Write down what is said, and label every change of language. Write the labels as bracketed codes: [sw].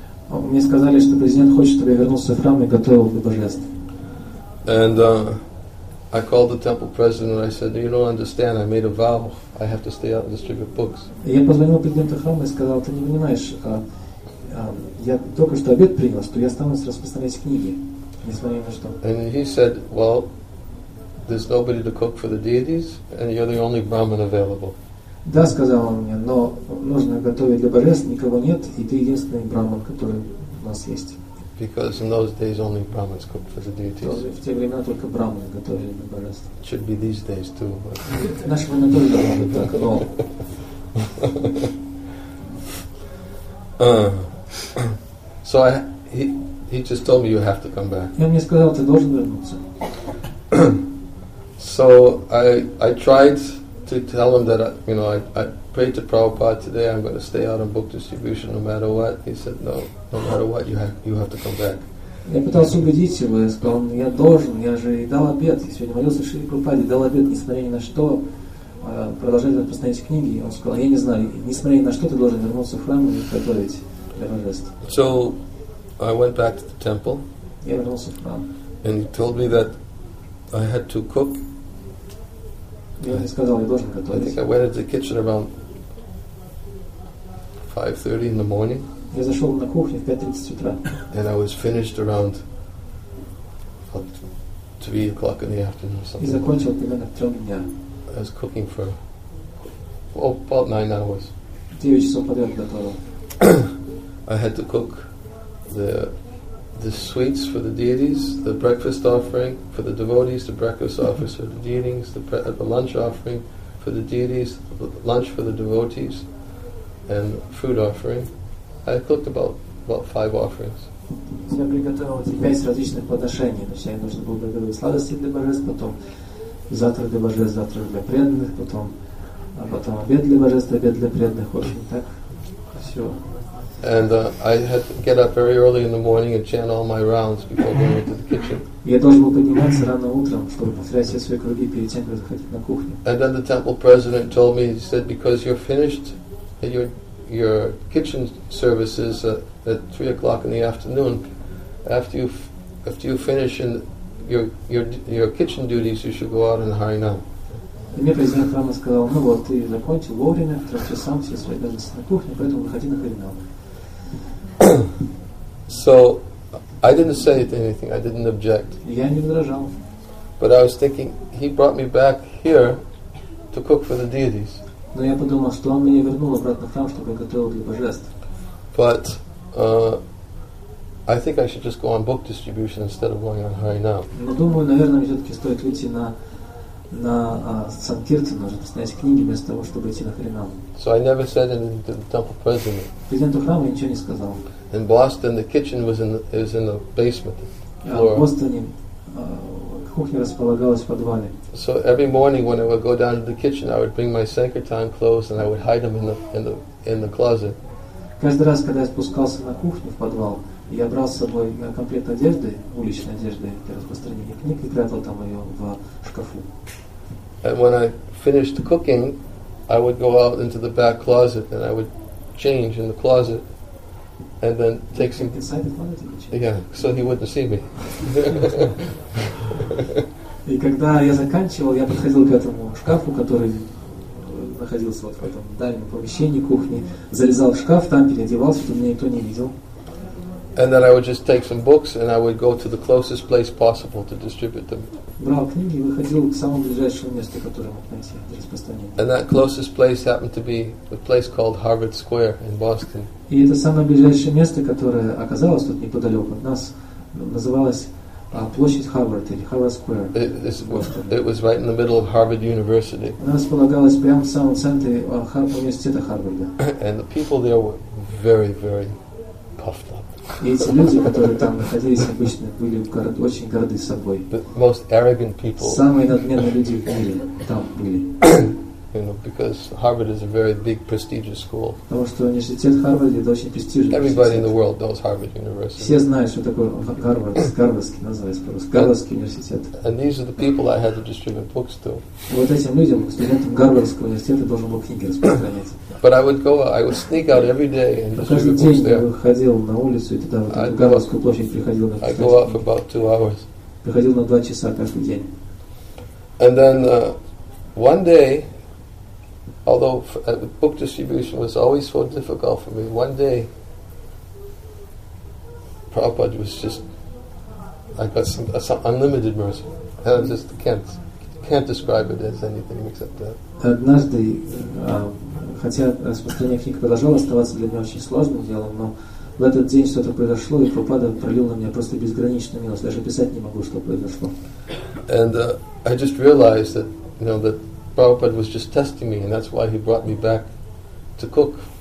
[ru] Мне сказали, что президент хочет, чтобы я вернулся в храм и готовил для божеств. [en] And I called the temple president and I said, you don't understand, I made a vow, I have to stay out and distribute books. [ru] Я позвонил президенту храма и сказал, ты не понимаешь, я только что обет принял, что я останусь распространять книги, несмотря на что. [en] And he said, well, there's nobody to cook for the deities, and you're the only Brahmin available. [ru] Да, сказал он мне, но нужно готовить для божеств, никого нет, и ты единственный Брахман, который у нас есть. [en] Because in those days only Brahmins cooked for the deities. [ru] В те времена только брахманы готовили для божеств. [en] Should be these days too. [ru] Наши времена тоже должны быть так, но. [en] So he just told me you have to come back. [ru] Он мне сказал, ты должен вернуться. [en] So I tried to tell him that I prayed to Prabhupada today, I'm going to stay out on book distribution no matter what. He said, no, no matter what, you have to come back. [ru] Я пытался убедить его, я сказал, я должен, я же и дал обет, я сегодня молился Шри Прабхупаде, дал обет, несмотря ни на что, продолжать распространять книги. Он сказал, я не знаю, несмотря ни на что, ты должен вернуться в храм и готовить для божеств. [en] So, I went back to the temple. [ru] Я вернулся в храм. [en] And he told me that I had to cook. [ru] Сказал, [en] I think I went into the kitchen around 5:30 in the morning. [ru] Я зашел на кухню в 5:30 утра. [en] And I was finished around 3 o'clock in the afternoon. Something. [ru] И закончил примерно в 3 дня. [en] I was cooking for about 9 hours. [ru] 9 часов подряд готовил. [en] I had to cook the sweets for the deities, the breakfast offering for the devotees, the breakfast offering for the deities, the lunch offering for the deities, lunch for the devotees, and food offering. I cooked about 5 offerings. [ru] Я приготовил эти 5 различных подношений. Сначала нужно было приготовить сладости для божеств, потом завтрак для божеств, завтрак для преданных, потом обед для божеств, обед для преданных. В общем, так все. [en] And I had to get up very early in the morning and chant all my rounds before going into the kitchen. [ru] Я должен был подниматься рано утром, чтобы повторять все свои круги перед тем, как заходить на кухню. [en] And then the temple president told me, he said, because you're finished your kitchen services at 3 o'clock in the afternoon, after you finish in your kitchen duties, you should go out in Harinam. [ru] И мне президент храма сказал, ну вот ты закончил вовремя, в 3 часам все свои обязанности на кухне, поэтому выходи на Харинам. [en] So I didn't say anything, I didn't object. [ru] Я не возражал. [en] But I was thinking, he brought me back here to cook for the deities. [ru] Но я подумал, что он меня вернул обратно в храм, чтобы я готовил для божеств. [en] But I think I should just go on book distribution instead of going on Harinam. [ru] Но думаю, наверное, мне все-таки стоит выйти на Санкиртан, нужно снять книги вместо того, чтобы идти на Харинам. [en] So I never said anything to the temple president. [ru] Президенту храма ничего не сказал. [en] In Boston, the kitchen was in the basement, the floor. [ru] В Бостоне кухня располагалась в подвале. [en] So every morning when I would go down to the kitchen, I would bring my Sankirtan clothes and I would hide them in the closet. [ru] Каждый раз, когда я спускался на кухню в подвал, я брал с собой комплект одежды, уличной одежды для распространения книг и прятал там ее в шкафу. [en] And when I finished cooking, I would go out into the back closet and I would change in the closet. And then take some inside the closet. Yeah, so he wouldn't see me. [ru] И когда я заканчивал, я подходил к этому шкафу, который находился вот в этом дальнем помещении кухни, залезал в шкаф, там переодевался, чтобы меня никто не видел. [en] And then I would just take some books and I would go to the closest place possible to distribute them. [ru] Брал книги и выходил к самому ближайшему месту, которое мог найти для распространения. [en] And that closest place happened to be a place called Harvard Square in Boston. [ru] И это самое ближайшее место, которое оказалось тут неподалеку от нас, называлось площадь Харвард или Harvard Square. [en] It was right in the middle of Harvard University. [ru] Она располагалась прямо в самом центре университета Харварда. [en] And the people there were very, very puffed up. [ru] И эти люди, которые там находились обычно, были очень горды собой. [en] The most arrogant people. [ru] Самые надменные люди в мире там были. [en] You know, because Harvard is a very big, prestigious school. [ru] Потому что университет Харвард это очень престижный. [en] Everybody in the world knows Harvard University. [ru] Все знают, что такое Гарвард, Гарвардский называется по-русски, Гарвардский университет. [en] And these are the people I had to distribute books to. [ru] Вот этим людям, студентам Гарвардского университета, должен был книги распространять. [en] But I would sneak out every day and distribute books there. [ru] Каждый день выходил на улицу и туда в эту Гарвардскую площадь приходил. [en] I'd go out for about 2 hours. [ru] Приходил на 2 часа каждый день. [en] And then one day. Although book distribution was always so difficult for me, one day Prabhupada was just, I got some unlimited mercy. And I just can't describe it as anything except that. [ru] Однажды, хотя распространение книг продолжало оставаться для меня очень сложным делом, но в этот день что-то произошло, и Прабхупада пролил на меня просто безграничную милость. Даже писать не могу, что произошло. [en] And I just realized that, you know, that Prabhupada was just testing me, and that's why he brought me back to cook.